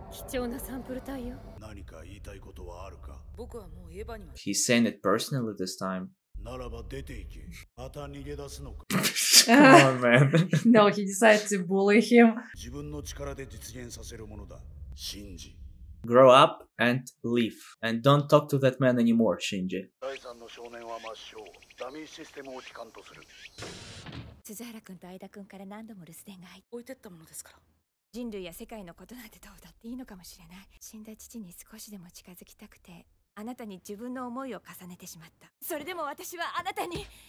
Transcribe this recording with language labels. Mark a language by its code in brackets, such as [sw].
[ja] 貴重なサンプル体よ。何か言いたいことはあるか。僕はもうエヴァには。 [en] He's saying it personally this time. [ja] ならば出て行け。また逃げ出すのか。 [en] Come on, man. No, he decided to bully him. [ja] 自分の力で実現させるものだ。信じ。 [en] Grow up and leave. And don't talk to that man anymore, Shinji. [ja] 第三の少年は抹消。ダミーシステムを帰還とする。鈴原君と相田君から何度も留守電が入って置いてったものですから。人類や世界のことなんてどうだっていいのかもしれない。死んだ父に少しでも近づきたくて、あなたに自分の思いを重ねてしまった。それでも私はあなたに。